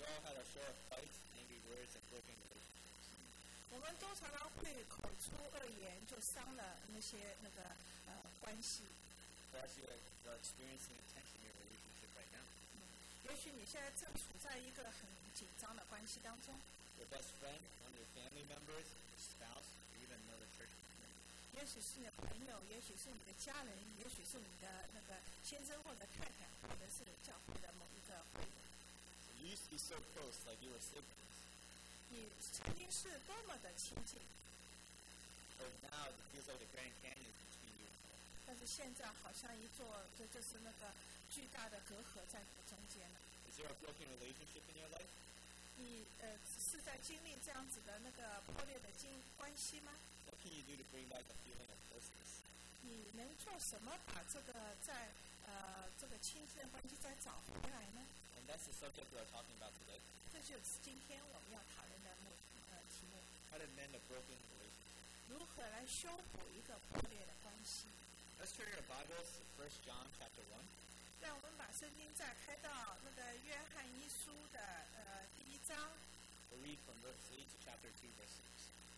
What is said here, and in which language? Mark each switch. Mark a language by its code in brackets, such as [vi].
[en] all had our share of fights, angry words, and broken relationships. [zh] 我们都常常会口出恶言，就伤了那些关系。 [en] Perhaps you are experiencing a tension in your relationship right now. [zh] 也许你现在正处在一个很紧张的关系当中。 [en] Your best friend, one of your family members, your spouse, or even another church member. [zh] 许是你的朋友，也许是你的家人，也许是你的那个先生或者太太，或者是教会的某一个会员。 [en] So、you used to be so close, like you were siblings. [zh] 你曾经是多么的亲近。 [en] But now it feels like the Grand Canyon between you and me. [zh] 但是现在好像一座，这就是那个巨大的隔阂在你的中间了。 [en] Is there a broken relationship in your life? [zh] 你是在经历这样子的那个破裂的关系吗？ [en] What can you do to bring back a feeling of closeness? [zh] 你能做什么把这个在这个亲近的关系再找回来呢？ [en] And that's the subject we are talking about today. [zh] 这就是今天我们要讨论的题目。 [en] How to mend a broken relationship. [zh] 如何来修补一个破裂的关系？ [en] Let's turn our Bibles to 1 John chapter 1. [zh] 让我们把圣经再开到那个约翰一书的第一章。 [en] We'll read from verse 3 to chapter 2, verse 6.